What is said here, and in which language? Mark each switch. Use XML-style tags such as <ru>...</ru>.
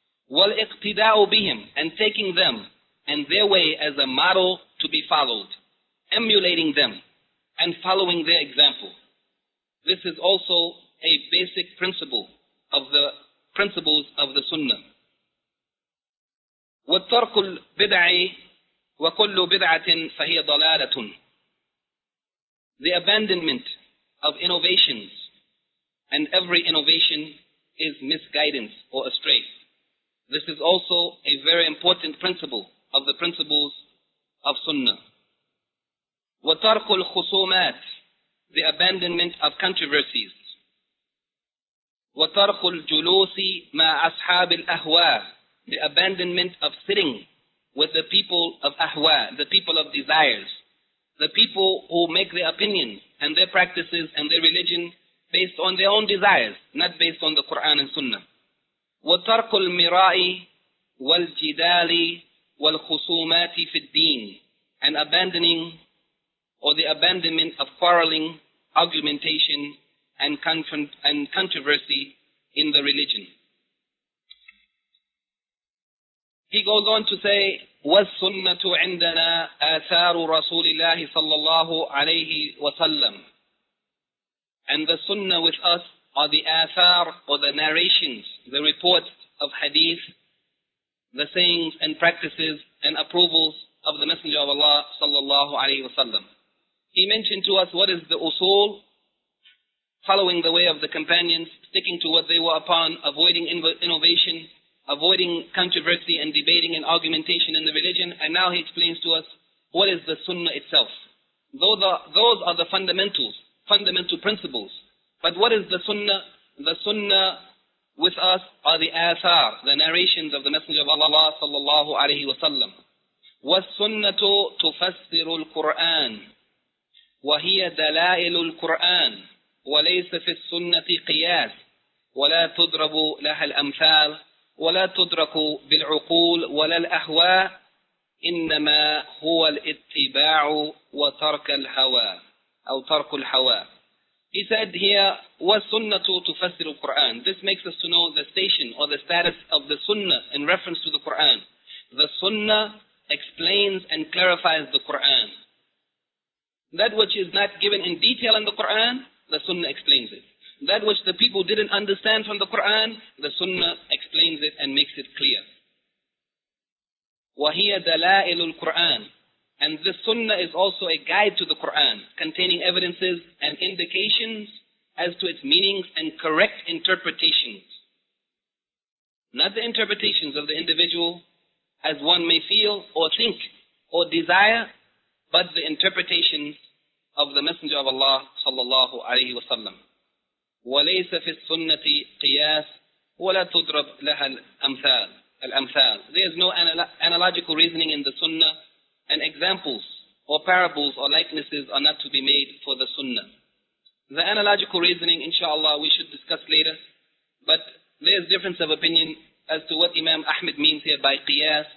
<ar>وَالْإِقْتِدَاءُ بِهِمْ,</ar> <en>and taking them and their way as a model to be followed, emulating them and following their example. This is also a basic principle of the principles of the Sunnah.</en> <ar>والترك البدع وكل بدعة فهي ضلالة.</ar> <en>The abandonment of innovations and every innovation is misguidance or astray. This is also a very important principle of the principles of Sunnah.</en> <ar>وترك الخصومات,</ar> <en>the abandonment of controversies.</en> <ar>وترك الجلوس مع أصحاب الأهواء,</ar> <en>the abandonment of sitting with the people of ahwa, the people of desires, the people who make their opinions and their practices and their religion based on their own desires, not based on the Quran and Sunnah.</en> <ar>وترك المرائي والجدال والخصومات في الدين,</ar> <en>and abandoning or the abandonment of quarreling, argumentation and controversy in the religion. He goes on to say,</en> <ar>وَالسُنَّةُ عِنْدَنَا آثَارُ رَسُولِ اللَّهِ صَلَّى اللَّهُ عَلَيْهِ وَسَلَّمُ.</ar> <en>And the sunnah with us are the athar, or the narrations, the reports of hadith, the sayings and practices and approvals of the Messenger of Allah</en> <ar>صَلَّى اللَّهُ عَلَيْهِ وَسَلَّمُ.</ar> <en>He mentioned to us what is the usul, following the way of the companions, sticking to what they were upon, avoiding innovation, avoiding controversy and debating and argumentation in the religion. And now he explains to us what is the sunnah itself. Those are the fundamentals, fundamental principles. But what is the sunnah? The sunnah with us are the athar, the narrations of the Messenger of Allah sallallahu alayhi wa sallam.</en> <ar>وَالسُنَّةُ تُفَسِّرُ الْقُرْآنِ وَهِيَ دَلَائِلُ الْقُرْآنِ وَلَيْسَ فِي السُنَّةِ قِيَاسِ وَلَا تُدْرَبُ لَهَا الْأَمْثَالِ ولا تدرك بالعقول ولا الأهواء إنما هو الاتباع وترك الهوى أو ترك الهوى.</ar> <en>He said here,</en> <ar>والسنة تفسر القرآن.</ar> <en>This makes us to know the station or the status of the Sunnah in reference to the Quran. The Sunnah explains and clarifies the Quran. That which is not given in detail in the Quran, the Sunnah explains it. That which the people didn't understand from the Quran, the Sunnah explains it and makes it clear.</en> <ar>وَهِيَ دَلَائِلُ الْقُرْآنِ.</ar> <en>And this Sunnah is also a guide to the Quran, containing evidences and indications as to its meanings and correct interpretations. Not the interpretations of the individual as one may feel or think or desire, but the interpretations of the Messenger of Allah sallallahu alayhi wa sallam.</en> <ar>وليس في السنة قياس ولا تضرب لها الأمثال.</ar> <en>There is no analogical reasoning in the Sunnah, and examples or parables or likenesses are not to be made for the Sunnah. The analogical reasoning, inshallah, we should discuss later, but there is difference of opinion as to what Imam Ahmed means here by قياس.</en>